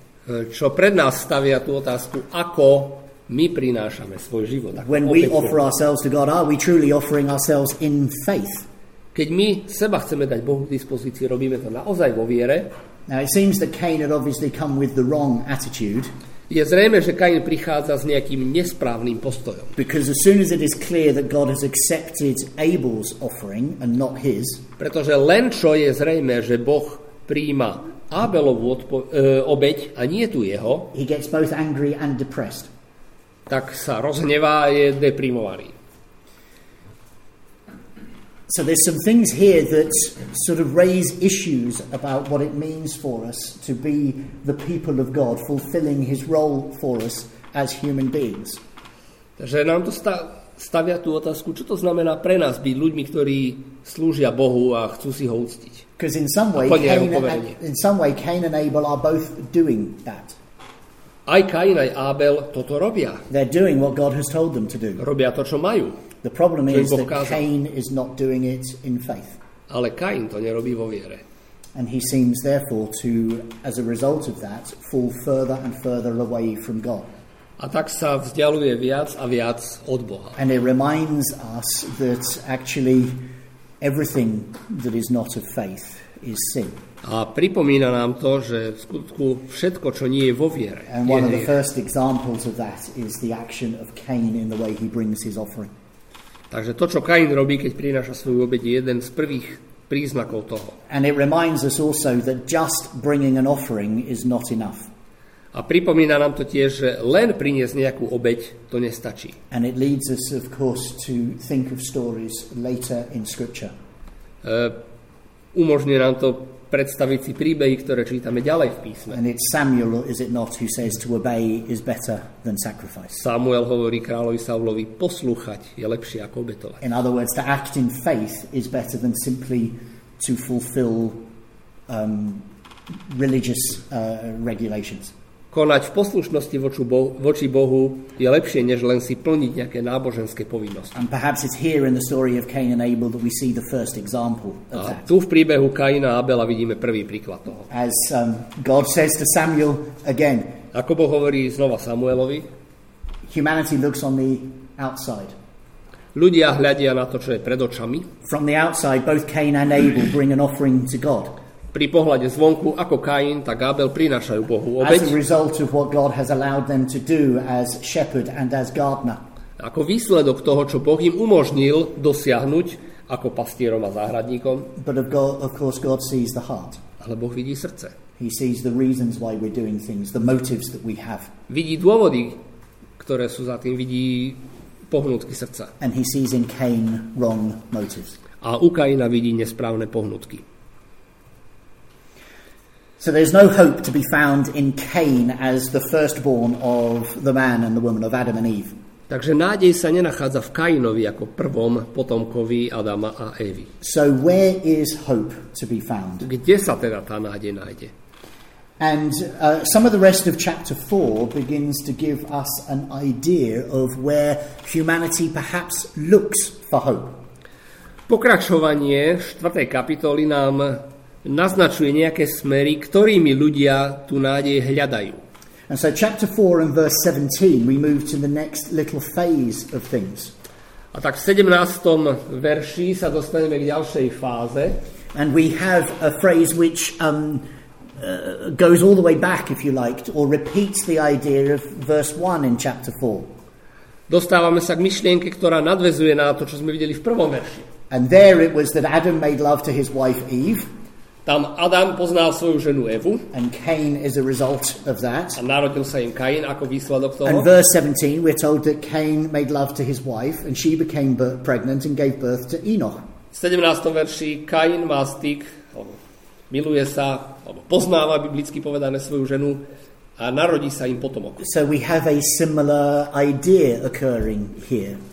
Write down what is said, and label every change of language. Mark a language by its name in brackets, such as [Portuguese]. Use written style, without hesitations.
[Slovak] Čo pred nás stavia tú otázku, ako My prinášame svoj život ako obeť. [English] When we offer ourselves to God, are we truly offering ourselves in faith? [Slovak] Keď my seba chceme dať Bohu k dispozícii, robíme to naozaj vo viere. [English] Now it seems that Cain had obviously come with the wrong attitude. [Slovak] Je zrejme, že Kain prichádza s nejakým nesprávnym postojom. [English] Because as soon as it is clear that God has accepted Abel's offering and not his. [Slovak] Pretože len čo je zrejme, že Boh prijíma Abelovu obeť a nie tu jeho. [English] He gets both angry and depressed. [Slovak] Tak sa rozhnevá a je deprimovaný. [English] So there's some things here that sort of raise issues about what it means for us to be the people of God, fulfilling his role for us as human beings. [Slovak] Takže nám to stavia tú otázku, čo to znamená pre nás byť ľuďmi, ktorí slúžia Bohu a chcú si ho uctiť. [English] Because in some way Cain and Abel are both doing that. [Slovak] Aj Kain aj Abel toto robia. [English] They're doing what God has told them to do. [Slovak] Robia to, čo majú. [English] The problem is that Cain is not doing it in faith. [Slovak] Ale Kain to nerobí vo viere. [English] And he seems therefore to, as a result of that, fall further and further away from God. [Slovak] A tak sa vzdialuje viac a viac od Boha. [English] And it reminds us that actually everything that is not of faith is sin. [Slovak] A pripomína nám to, že v skutku všetko, čo nie je vo viere. [English] And one of the first examples of that is the action of Cain in the way he brings his offering. [Slovak] Takže to, čo Kain robí, keď prináša svoju obeť, je jeden z prvých príznakov toho. [English] And it reminds us also that just bringing an offering is not enough. [Slovak] A pripomína nám to tiež, že len priniesť nejakú obeť, to nestačí. [English] And it leads us, of course, to think of stories later in scripture. [Slovak] Umožní nám to predstaviť si príbehy, ktoré čítame ďalej v písme. [English] And it's Samuel, is it not, who says to obey is better than sacrifice. [Slovak] Samuel hovorí kráľovi Saulovi, poslúchať je lepšie ako obetovať. [English] In other words, to act in faith is better than simply to fulfill religious regulations. [Slovak] Konať v poslušnosti voči Bohu je lepšie, než len si plniť nejaké náboženské povinnosti. [English] And perhaps it's here in the story of Cain and Abel that we see the first example of that. [Slovak] A tu v príbehu Kaina a Abela vidíme prvý príklad toho. [English] As God says to Samuel again. [Slovak] Ako Boh hovorí znova Samuelovi. [English] Humanity looks on the outside. [Slovak] Ľudia hľadia na to, čo je pred očami. [English] From the outside, both Cain and Abel bring an offering to God. [Slovak] Pri pohľade zvonku, ako Kain, tak Abel prinášajú Bohu obeť. [English] As a result of what God has allowed them to do as shepherd and as gardener. [Slovak] Ako výsledok toho, čo Boh im umožnil dosiahnuť ako pastierom a záhradníkom. [English] But of course God sees the heart. [Slovak] Ale Boh vidí srdce. [English] He sees the reasons why we're doing things, the motives that we have. [Slovak] Vidí dôvody, ktoré sú za tým, vidí pohnutky srdca. [English] And he sees in Cain wrong motives. [Slovak] A u Kaina vidí nesprávne pohnutky. [English] So there's no hope to be found in Cain as the firstborn of the man and the woman of Adam and Eve. [Slovak] Takže nádej sa nenachádza v Kainovi ako prvom potomkovi Adama a Evy. [English] So where is hope to be found? [Slovak] Kde sa teda tá nádej nájde? [English] And some of the rest of chapter 4 begins to give us an idea of where humanity perhaps looks for hope. [Slovak] Pokračovanie 4. kapitoly nám naznačuje nejaké smery, ktorými ľudia tú nádej hľadajú. [English] And so chapter 4 and verse 17 we move to the next little phase of things. [Slovak] A tak v 17. verši sa dostaneme k ďalšej fáze. [English] And we have a phrase which goes all the way back if you liked or repeats the idea of verse 1 in chapter 4. [Slovak] Dostávame sa k myšlienke, ktorá nadväzuje na to, čo sme videli v prvom verši. [English] And there it was that Adam made love to his wife Eve. [Slovak] Tam Adam poznal svoju ženu Evu. [English] And Cain is a result of that. [Slovak] A narodil sa im Cain ako výsledok toho. [English] And verse 17 we're told that Cain made love to his wife and she became pregnant and gave birth to Enoch. [Slovak] V 17. verši Cain má styk, miluje sa, alebo poznáva biblicky povedané svoju ženu a narodí sa im potomok. [English] So we have a similar idea occurring here.